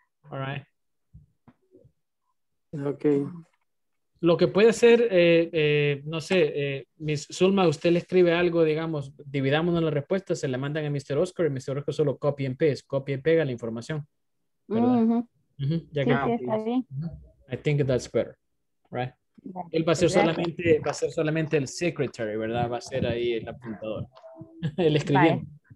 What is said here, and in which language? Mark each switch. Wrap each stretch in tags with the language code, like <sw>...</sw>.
<en>All right. Okay.</en> <es>Lo que puede hacer, no sé, Miss Zulma, usted le escribe algo, digamos, dividámonos la respuesta, se la mandan a Mr. Oscar y Mr. Oscar solo copia y pega, la información. Uh-huh. Uh-huh. Sí, está bien.</es> <en>I think that's better, right?</en> <es>Yeah. Él va a ser solamente, exactly. Va a ser solamente el secretary, ¿verdad? Va a ser ahí el apuntador, el escribiente.</es>